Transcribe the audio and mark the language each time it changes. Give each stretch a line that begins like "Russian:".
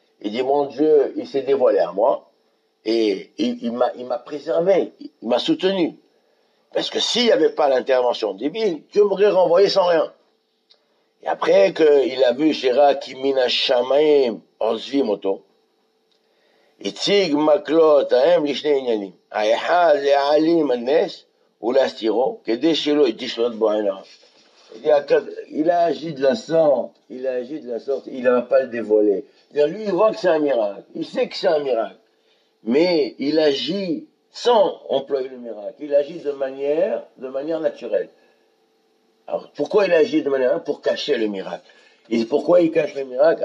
French: Il dit, mon Dieu, il s'est dévoilé à moi, et il m'a préservé, il m'a soutenu. Parce que s'il n'y avait pas l'intervention divine, Dieu m'aurait renvoyé sans rien. Et après qu'il a vu
Hebrew: Shira Kimina Shamaim, Ozvi Moto, יציג מקלות ההם לשני עניינים. האחד להעלים הנס ולהסתירו כדי שלא יתשלוט בו עין הרע.
French: Il a agi de la sorte, il a agi de la sorte, il n'a pas le dévoilé. Lui, il voit que c'est un miracle, il sait que c'est un miracle. Mais il agit sans employer le miracle, il agit de manière naturelle. Alors, pourquoi il agit de manière pour cacher le miracle? Et pourquoi il cache le miracle?